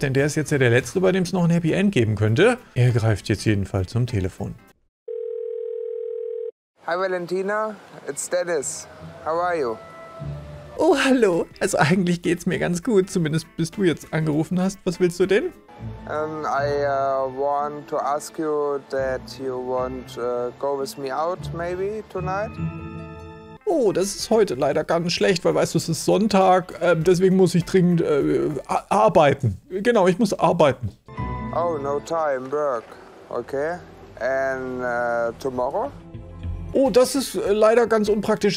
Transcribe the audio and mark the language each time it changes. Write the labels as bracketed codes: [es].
[de] Denn der ist jetzt ja der Letzte, bei dem es noch ein Happy End geben könnte. Er greift jetzt jedenfalls zum Telefon. [en] Hi Valentina, it's Dennis. How are you? [de] Oh, hallo. Also eigentlich geht's mir ganz gut, zumindest bis du jetzt angerufen hast. Was willst du denn? [en] I want to ask you that you won't go with me out maybe tonight. [de] Oh, das ist heute leider ganz schlecht, weil weißt du, es ist Sonntag, deswegen muss ich dringend arbeiten. Genau, ich muss arbeiten. [en] Oh, no time, work. Okay. And tomorrow? [de] Oh, das ist leider ganz unpraktisch.